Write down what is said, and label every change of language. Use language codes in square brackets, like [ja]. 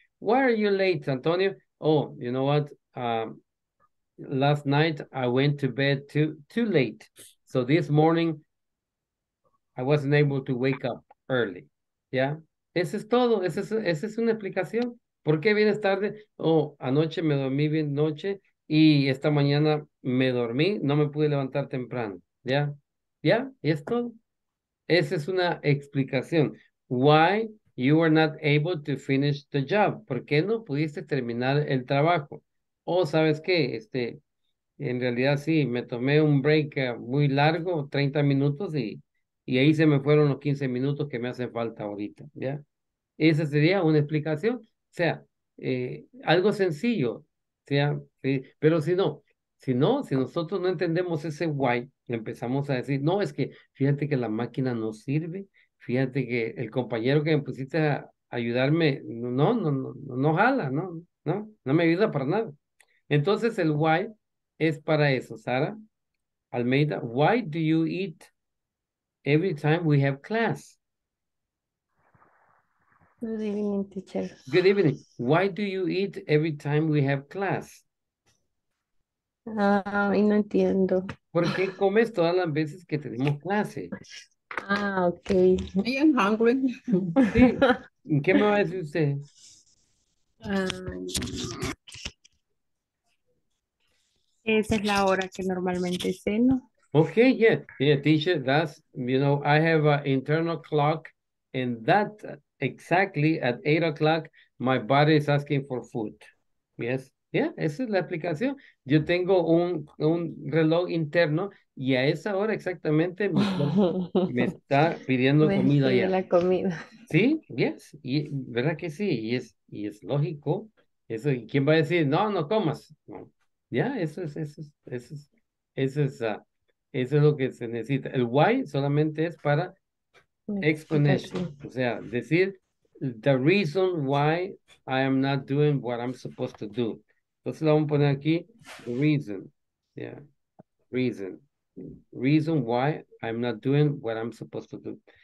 [en] Why are you late, Antonio? Oh, you know what, last night I went to bed too late, so this morning I wasn't able to wake up early, yeah, [es] ese es todo, esa es una explicación. ¿Por qué vienes tarde? Oh, anoche me dormí bien noche y esta mañana me dormí, no me pude levantar temprano. ¿Ya? ¿Ya? ¿Y es todo? Esa es una explicación. [en] Why you were not able to finish the job? [es] ¿Por qué no pudiste terminar el trabajo? Oh, ¿sabes qué? En realidad sí, me tomé un break muy largo, 30 minutos, y ahí se me fueron los 15 minutos que me hacen falta ahorita. ¿Ya? Esa sería una explicación. O sea, algo sencillo, ¿sea? ¿Sí? Pero si nosotros no entendemos ese why, empezamos a decir, no, es que fíjate que la máquina no sirve, fíjate que el compañero que me pusiste a ayudarme, no jala, no me ayuda para nada. Entonces el why es para eso, [en] Sara Almeida, why do you eat every time we have class? Good evening, teacher. Good evening. Why do you eat every time we have class? [es] No entiendo. ¿Por qué comes todas las veces que tenemos clase? [en] Ah, okay. I am hungry. [es] Sí. ¿Qué me va a decir usted? Esa es la hora que normalmente ceno. [en] Okay, yeah, teacher. That's, you know, I have an internal clock, and that. Exactly at 8 o'clock, my body is asking for food. [es] Yes, yeah, esa es la explicación. Yo tengo un reloj interno y a esa hora exactamente me está pidiendo me comida ya. La comida. Sí, yes, y verdad que sí, y es lógico. Eso, ¿y quién va a decir no comas? No. Ya, yeah, eso es lo que se necesita. El why solamente es para explanation, o sea, decir [en] the reason why I am not doing what I'm supposed to do. [es] Entonces lo vamos a poner aquí, [en] the reason, yeah, reason. Reason why I'm not doing what I'm supposed to do.